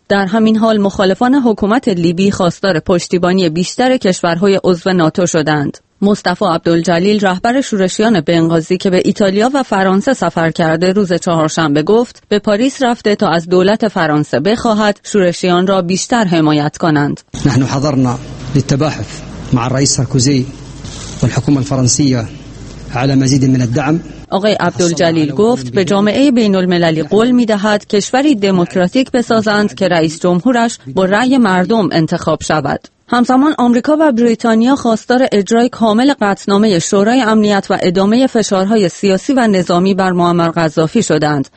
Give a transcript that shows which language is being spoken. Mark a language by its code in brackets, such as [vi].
[fa] در همین حال مخالفان حکومت لیبی خواستار پشتیبانی بیشتر کشورهای عضو ناتو شدند. مصطفی عبدالجلیل، رهبر شورشیان بنغازی که به ایتالیا و فرانسه سفر کرده، روز چهارشنبه گفت به پاریس رفته تا از دولت فرانسه بخواهد شورشیان را بیشتر حمایت کنند. [ar] نحن حضرنا للتباحث مع الرئيس ساركوزي والحكومه الفرنسيه على مزيد من الدعم. [fa] آقای عبدالجلیل گفت به جامعه بین المللی قول می دهد کشوری دموکراتیک بسازند که رئیس جمهورش با رأی مردم انتخاب شود. همزمان آمریکا و بریتانیا خواستار اجرای کامل قطعنامه شورای امنیت و ادامه فشارهای سیاسی و نظامی بر معمر قذافی شدند.